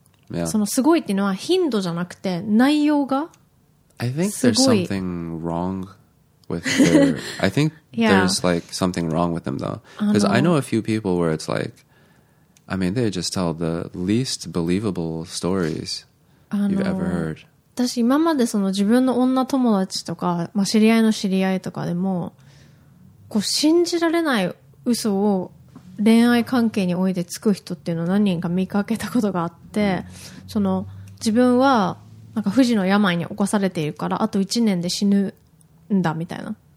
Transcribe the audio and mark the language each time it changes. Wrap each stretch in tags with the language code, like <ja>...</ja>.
<en>Yeah.</en> <ja>そのすごいっていうのは頻度じゃなくて内容が</ja> <en>I think there's something wrong with their... I think there's like something wrong with them though. Because I know a few people where it's like... I mean, they just tell the least believable stories you've ever heard.</en> <ja>私今までその自分の女友達とか、まあ、知り合いの知り合いとかでもこう信じられない嘘を恋愛関係においてつく人っていうのを何人か見かけたことがあって、mm. その自分はなんか不治の病に侵されているからあと1年で死ぬんだみたいな、</ja>